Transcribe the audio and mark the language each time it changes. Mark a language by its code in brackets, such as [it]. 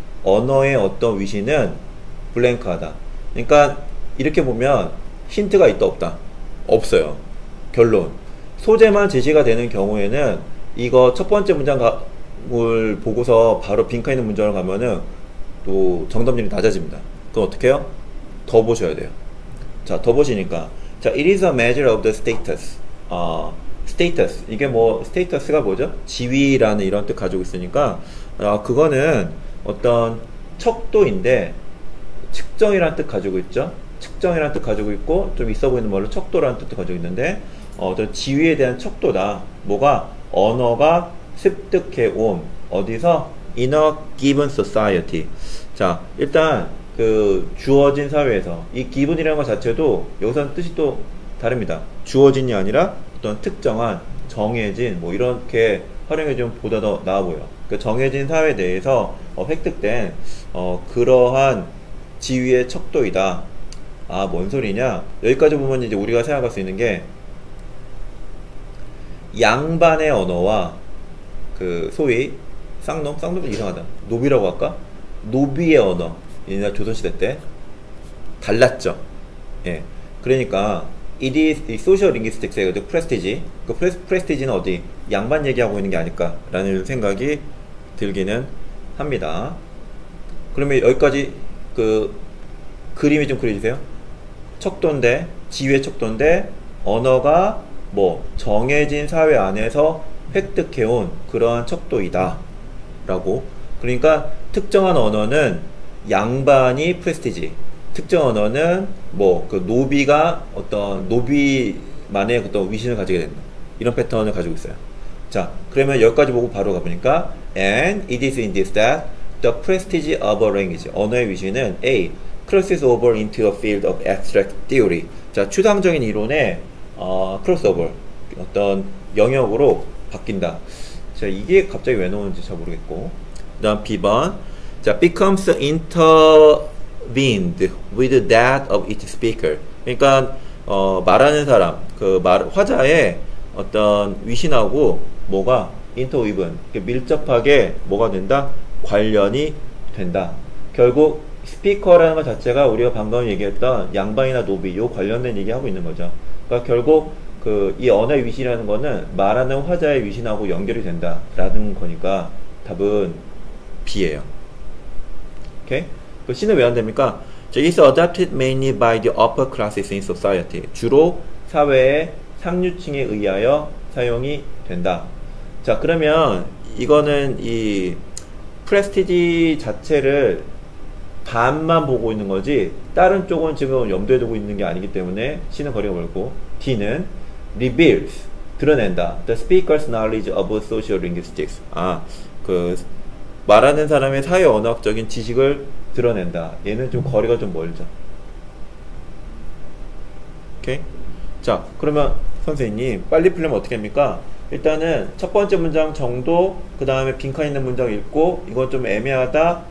[ko] 언어의 어떤 위신은 블랭크하다. 그러니까 이렇게 보면 힌트가 있다 없다. 없어요. 결론. 소재만 제시가 되는 경우에는 이거 첫 번째 문장을 보고서 바로 빈칸 있는 문장을 가면은 또 정답률이 낮아집니다. 그럼 어떻게 해요? 더 보셔야 돼요. 자, 더 보시니까. [en] 자, it is a measure of the status. status. [ko] 이게 뭐, status가 뭐죠? 지위라는 이런 뜻 가지고 있으니까, 그거는 어떤 척도인데, 측정이라는 뜻 가지고 있죠? 측정이라는 뜻 가지고 있고, 좀 있어 보이는 말로 척도라는 뜻도 가지고 있는데, 어떤 지위에 대한 척도다. 뭐가? 언어가 습득해온. 어디서? [en] In a given society. [ko] 자, 일단, 그 주어진 사회에서 이 기분이라는 것 자체도 여기서는 뜻이 또 다릅니다. 주어진이 아니라 어떤 특정한 정해진 뭐 이렇게 활용해주면 보다 더 나아 보여. 그 정해진 사회에 대해서 획득된 그러한 지위의 척도이다. 아, 뭔 소리냐? 여기까지 보면 이제 우리가 생각할 수 있는 게 양반의 언어와 그 소위 쌍놈? 쌍놈은 이상하다. 노비라고 할까? 노비의 언어. 옛날 조선시대 때 달랐죠. 예, 그러니까 [en] it is social linguistics에 그 prestige. [ko] 그 prestige는 어디? 양반 얘기하고 있는 게 아닐까라는 생각이 들기는 합니다. 그러면 여기까지 그 그림이 좀 그려주세요. 척도인데 지위의 척도인데 언어가 뭐 정해진 사회 안에서 획득해온 그러한 척도이다라고. 그러니까 특정한 언어는 양반이 프레스티지, 특정 언어는 뭐그 노비가 어떤 노비만의 어떤 위신을 가지게 된다. 이런 패턴을 가지고 있어요. 자, 그러면 여기까지 보고 바로 가보니까 [en] and it is in this that the prestige of a language, [ko] 언어의 위신은 A. [en] crosses over into a field of abstract theory. [ko] 자, 추상적인 이론의 crossover, 어떤 영역으로 바뀐다. 자, 이게 갑자기 왜 나오는지 잘 모르겠고. 그다음 B번. [en] 자, becomes intertwined with that of each speaker. [ko] 그러니까 말하는 사람, 그 말, 화자의 어떤 위신하고 뭐가 intertwined, 밀접하게 뭐가 된다? 관련이 된다. 결국 스피커라는 것 자체가 우리가 방금 얘기했던 양반이나 노비, 요 관련된 얘기하고 있는 거죠. 그러니까 결국 그이 언어의 위신이라는 거는 말하는 화자의 위신하고 연결이 된다라는 거니까 답은 B예요. 오케이? 그 C는 왜안 됩니까? [en] So it's adopted mainly by the upper classes in society. [ko] 주로 사회의 상류층에 의하여 사용이 된다. 자, 그러면 이거는 이 프레스티지 자체를 반만 보고 있는 거지 다른 쪽은 지금 염두에 두고 있는 게 아니기 때문에 C는 거리가 멀고 D는 reveals, 드러낸다. [en] The speaker's knowledge of social linguistics. [ko] 아, 그 말하는 사람의 사회 언어학적인 지식을 드러낸다. 얘는 좀 거리가 좀 멀죠. 오케이? 자, 그러면 선생님, 빨리 풀려면 어떻게 합니까? 일단은 첫 번째 문장 정도, 그 다음에 빈칸 있는 문장 읽고, 이건 좀 애매하다.